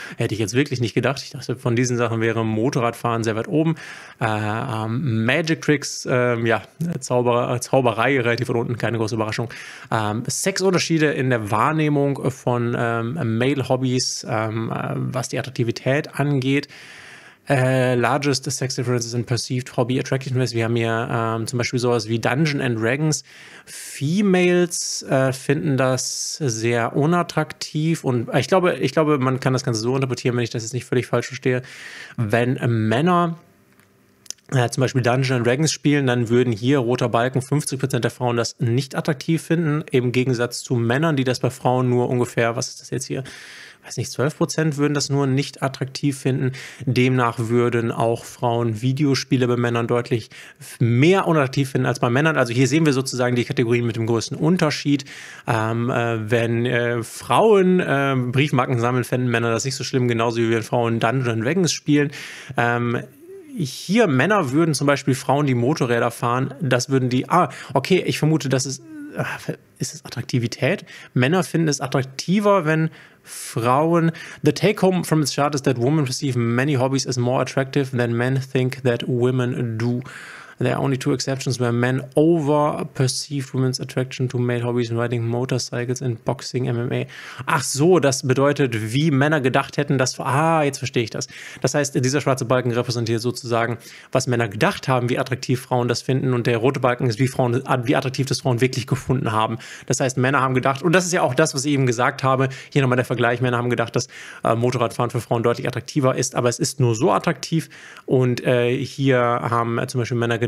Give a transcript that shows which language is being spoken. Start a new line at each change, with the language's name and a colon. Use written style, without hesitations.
German: Hätte ich jetzt wirklich nicht gedacht. Ich dachte, von diesen Sachen wäre Motorradfahren sehr weit oben. Magic Tricks, ja, Zauberei relativ von unten, keine große Überraschung. Sexunterschiede in der Wahrnehmung von Male-Hobbys, was die Attraktivität angeht.
English: Largest Sex Differences in Perceived Hobby Attractiveness.
German: Wir haben hier zum Beispiel sowas wie Dungeons and Dragons. Females finden das sehr unattraktiv, und ich glaube, man kann das Ganze so interpretieren, wenn ich das jetzt nicht völlig falsch verstehe. Wenn Männer zum Beispiel Dungeons and Dragons spielen, dann würden hier roter Balken 50% der Frauen das nicht attraktiv finden, im Gegensatz zu Männern, die das bei Frauen nur ungefähr, was ist das jetzt hier? Ich weiß nicht, 12% würden das nur nicht attraktiv finden. Demnach würden auch Frauen Videospiele bei Männern deutlich mehr unattraktiv finden als bei Männern. Also hier sehen wir sozusagen die Kategorien mit dem größten Unterschied. Wenn Frauen Briefmarken sammeln, fänden Männer das nicht so schlimm, genauso wie wenn Frauen Dungeons & Dragons spielen. Hier Männer würden zum Beispiel Frauen, die Motorräder fahren, das würden die... Ah, okay, ich vermute, das ist... Ist es Attraktivität? Männer finden es attraktiver, wenn Frauen...
English: The take-home from its chart is that women perceive many hobbies as more attractive than men think that women do. There are only two exceptions where men over-perceive women's attraction to male hobbies in riding motorcycles and boxing MMA.
German: Ach so, das bedeutet, wie Männer gedacht hätten, dass... Ah, jetzt verstehe ich das. Das heißt, dieser schwarze Balken repräsentiert sozusagen, was Männer gedacht haben, wie attraktiv Frauen das finden. Und der rote Balken ist, wie attraktiv das Frauen wirklich gefunden haben. Das heißt, Männer haben gedacht, und das ist ja auch das, was ich eben gesagt habe, hier nochmal der Vergleich, Männer haben gedacht, dass Motorradfahren für Frauen deutlich attraktiver ist, aber es ist nur so attraktiv. Und hier haben zum Beispiel Männer gedacht,